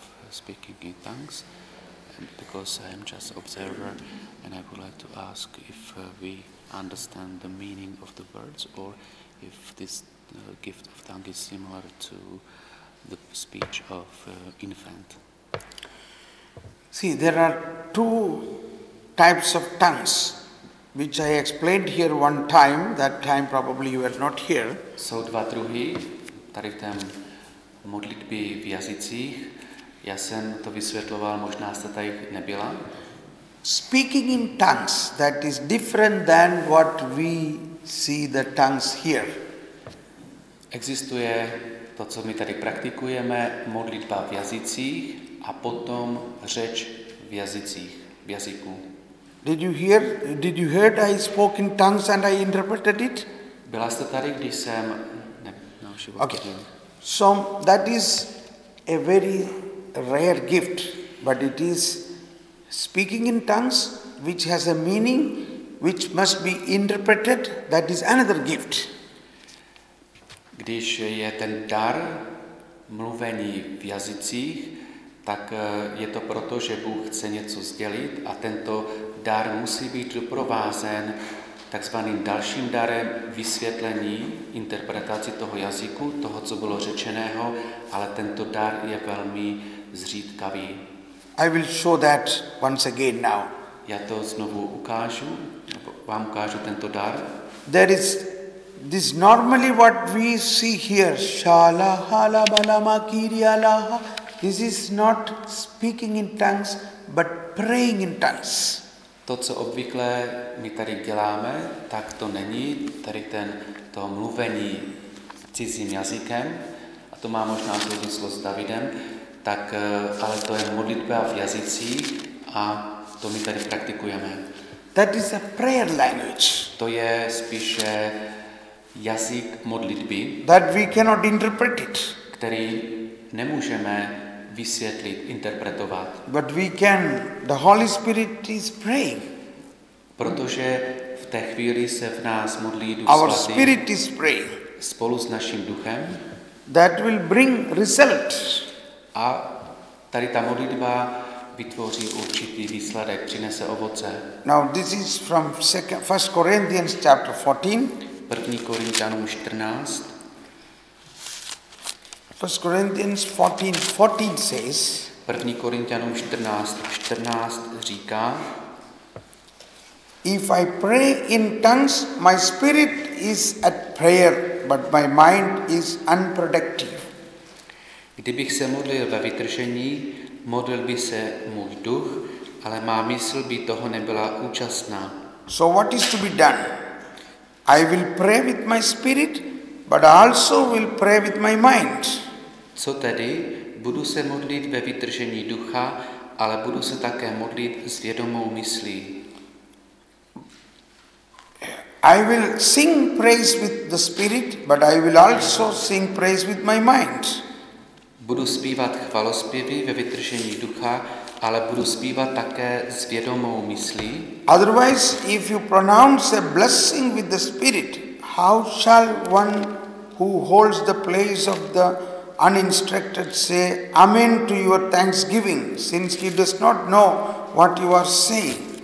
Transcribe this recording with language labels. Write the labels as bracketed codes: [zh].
[en] Speaking in tongues, and because I am just observer, and I would like to ask if we understand the meaning of the words, or if this gift of tongue is similar to the speech of infant. See, there are 2 types of tongues, which I explained here one time. That time probably you were not here. [cs] So, dva druhy, tady v té modlitbě v jazycích. Já jsem to vysvětloval, možná jste tady nebyla. [en] Speaking in tongues, that is different than what we see the tongues here. [cs] Existuje to, co my tady praktikujeme, modlitba v jazycích a potom řeč v jazycích, v jazyku. [en] Did you hear I spoke in tongues and I interpreted it? [cs] Byla jste tady, když jsem nenaučila. [en] Okay. So that is a very rare gift, but it is speaking in tongues which has a meaning which must be interpreted, that is another gift. [cs] Když je ten dar mluvení v jazycích, tak je to proto, že Bůh chce něco sdělit a tento dar musí být doprovázen takzvaným dalším darem vysvětlení, interpretaci toho jazyku, toho, co bylo řečeného, ale tento dar je velmi zřídkavý. [en] I will show that once again now. [cs] Já to znovu ukážu, vám ukážu tento dar. [en] There is this normally what we see here. Shala hala balama kiriala. This is not speaking in tongues, but praying in tongues. [cs] To, co obvykle my tady děláme, tak to není tady ten to mluvení cizím jazykem. A to má možná souvislost s Davidem. Tak, ale to je modlitba v jazycích a to my tady praktikujeme. [en] That is a prayer language. [cs] To je spíše jazyk modlitby, [en] that we cannot interpret it, [cs] který nemůžeme vysvětlit, interpretovat. [en] But we can, the Holy Spirit is praying. [cs] Protože v té chvíli se v nás modlí Duch [en] Our [cs] Svatý. [en] Our Spirit is praying. [cs] Spolu s naším duchem. [en] That will bring result. [cs] A tady ta modlitba vytvoří určitý výsledek, přinese ovoce. [en] Now this is from 1 Corinthians chapter 14. [cs] 1. Korintanům 14. [en] 1 Corinthians 14:14 says. [cs] 1. Korintanům 14:14 říká. [en] If I pray in tongues, my spirit is at prayer, but my mind is unproductive. [cs] Kdybych se modlil ve vytržení, modlil by se můj duch, ale má mysl by toho nebyla účastná. [en] So what is to be done? I will pray with my spirit, but also will pray with my mind. [cs] Co tedy? Budu se modlit ve vytržení ducha, ale budu se také modlit s vědomou myslí. [en] I will sing praise with the spirit, but I will also sing praise with my mind. [cs] Budu zpívat chvalospěvy ve vytržení ducha, ale budu zpívat také s vědomou myslí. [en] Otherwise, if you pronounce a blessing with the spirit, how shall one who holds the place of the uninstructed say amen to your thanksgiving, since he does not know what you are saying?